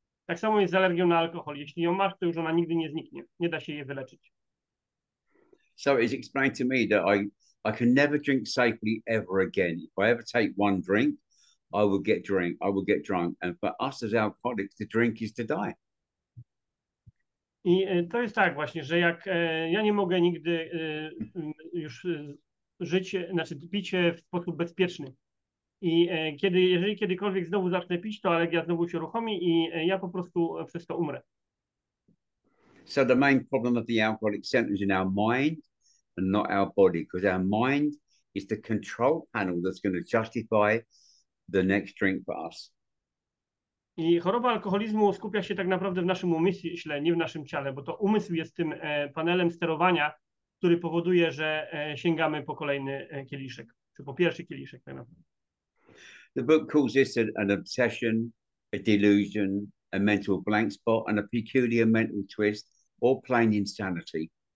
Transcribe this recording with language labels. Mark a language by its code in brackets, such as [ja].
[pl] Tak samo jest z alergią na alkohol. Jeśli ją masz, to już ona nigdy nie zniknie. Nie da się jej wyleczyć. [en] So it's explained to me that I can never drink safely ever again. If I ever take one drink, I will get drunk. And for us as alcoholics, the drink is to die. [pl] I to jest tak właśnie, że jak ja nie mogę nigdy już żyć, znaczy pić w sposób bezpieczny. I jeżeli kiedykolwiek znowu zacznę pić, to alergia znowu się uruchomi i ja po prostu przez to umrę. [en] So the main problem of the alcoholic centers in our mind and not our body, because our mind is the control panel that's going to justify the next drink for us. [pl] I choroba alkoholizmu skupia się tak naprawdę w naszym umyśle, nie w naszym ciele, bo to umysł jest tym panelem sterowania, który powoduje, że sięgamy po kolejny kieliszek, czy po pierwszy kieliszek tak naprawdę. [en] The book calls this an obsession, a delusion, a mental blank spot and a peculiar mental twist, or plain insanity.